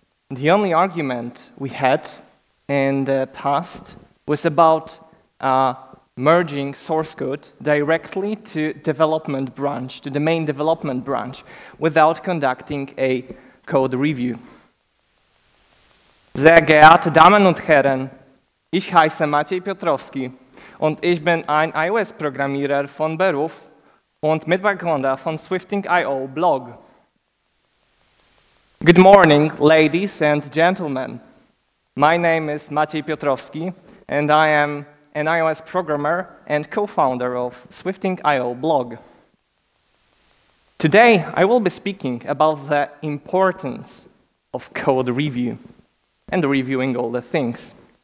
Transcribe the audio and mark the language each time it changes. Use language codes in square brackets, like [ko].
[en] The only argument we had in the past was about merging source code directly to development branch, to the main development branch, without conducting a code review. [de] Sehr geehrte Damen und Herren, ich heiße Maciej Piotrowski und ich bin ein iOS-Programmierer von Beruf und Mitbegründer von Swifting.io Blog. [en] Good morning, ladies and gentlemen. My name is Maciej Piotrowski, and I am an iOS programmer and co-founder of Swifting.io blog. Today, I will be speaking about the importance of code review and reviewing all the things.